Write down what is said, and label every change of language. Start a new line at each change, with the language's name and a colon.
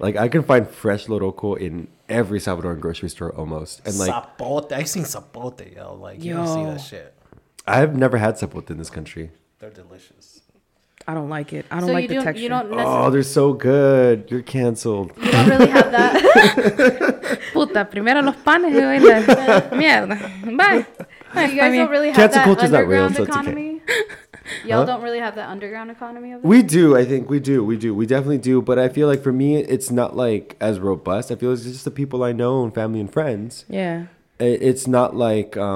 English: Like, I can find fresh loroco in every Salvadoran grocery store, almost. And like, Cipotx. I've seen Cipotx, yo. Like, yo. You don't see that shit. I've never had Cipotx in this country. They're delicious. I don't like it. I don't like the texture. You don't necessarily... Oh, they're so good. You're canceled. You don't really have that.
Spanish: Puta, primero los panes y la mierda.
English: Bye. You guys don't really have that underground real, so economy? Okay. Y'all don't really have that underground economy of it? We do. I think we do. We do. We definitely do. But I feel like for me, it's not like as robust. I feel like it's just the people I know and family and friends. Yeah. It's not like